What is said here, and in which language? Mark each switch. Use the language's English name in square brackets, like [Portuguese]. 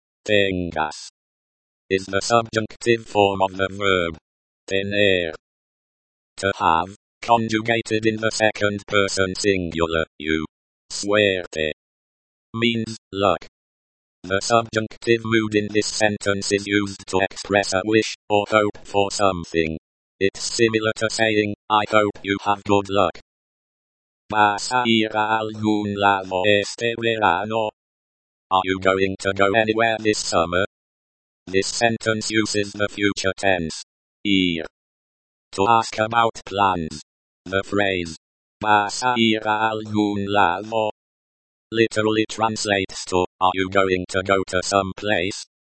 [English] Tengas is the subjunctive form of the verb tener, to have, conjugated in the second person singular, you. Suerte means luck. The subjunctive mood in this sentence is used to express a wish or hope for something. It's similar to saying, I hope you have good luck. [Spanish] ¿Vas a ir a algún lado este verano? [English] Are you going to go anywhere this summer? This sentence uses the future tense, ir, to ask about plans. [Spanish] The phrase, ¿Vas a ir a algún lado? [English] Literally translates to, are you going to go to some place?